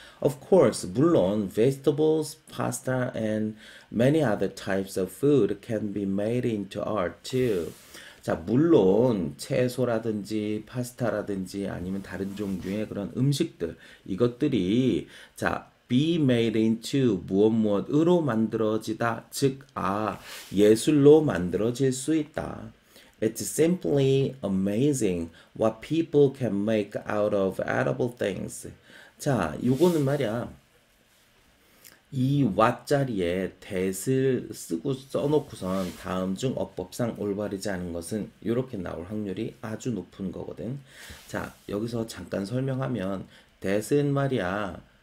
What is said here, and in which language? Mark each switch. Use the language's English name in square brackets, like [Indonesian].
[English] Of course, [Korean] 물론 [English] vegetables, pasta, and many other types of food can be made into art too. [Korean] 자, 물론 채소라든지 파스타라든지 아니면 다른 종류의 그런 음식들, 이것들이 자, [English] be made into [Korean] 무엇무엇으로 만들어지다. 즉, 아, 예술로 만들어질 수 있다. [English] It's simply amazing what people can make out of edible things. [Korean] 자, 요거는 말이야. 이 what 자리에 that을 쓰고 써놓고선 다음 중 어법상 올바르지 않은 것은 이렇게 나올 확률이 아주 높은 거거든. 자, 여기서 잠깐 설명하면 that은 말이야.